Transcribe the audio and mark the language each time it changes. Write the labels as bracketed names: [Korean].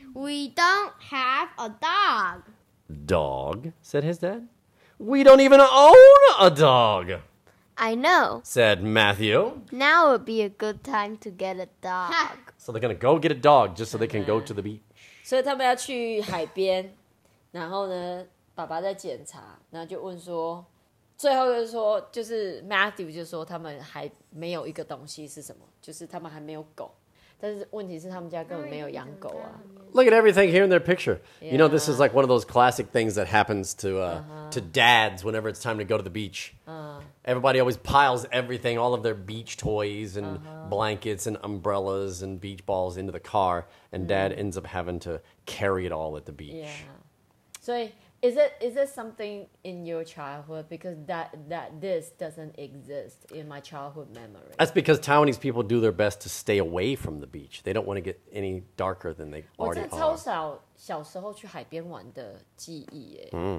[English] We don't have a dog. Dog, said his dad. We don't even own a dog. I know, said Matthew. Now would be a good time to get a dog. So they're going to go get a dog just so they can go to the beach. [Chinese] 所以他们要去海边,然后呢...爸爸在检查，然后就问说，最后就是说，就是 Matthew 就说他们还没有一个东西是什么，就是他们还没有狗，但是问题是他们家根本没有养狗啊。 [English] Look at everything here in their picture. Yeah. You know, this is like one of those classic things that happens to dads whenever it's time to go to the beach. Everybody always piles everything, all of their beach toys and blankets and umbrellas and beach balls into the car, and dad ends up having to carry it all at the beach. Yeah. 所以 Is it something in your childhood? Because that this doesn't exist in my childhood memory. That's because Taiwanese people do their best to stay away from the beach. They don't want to get any darker than they already are. [Chinese] 我真的超少小时候去海边玩的记忆耶。